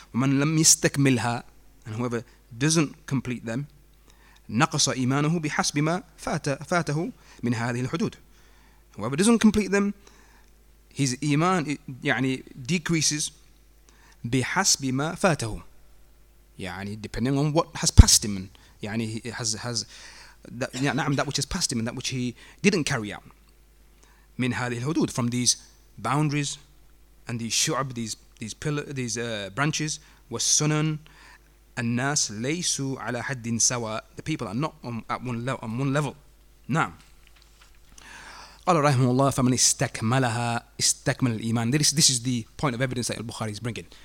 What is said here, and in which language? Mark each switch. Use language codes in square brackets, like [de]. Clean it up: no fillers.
[ar] ومن لم يستكملها, [en] and whoever doesn't complete them, [ar] نقص إيمانه بحسب ما فاته من هذه الحدود. [en] Whoever doesn't complete them, his إيمان يعني decreases [ar] بحسب ما فاته, [en] يعني depending on what has passed him, يعني has that which has passed him and that which he didn't carry out. [ar] من هذه الحدود, [en] from these boundaries and these shu'ab, these pillar, these branches. [ar] والسنن, الناس ليسوا على حد سواء, [en] the people are not on one level. [ar] نعم. قال رحمه الله فمن استكملها استكمل الإيمان. [en] This is the point of evidence that Al-Bukhari is bringing.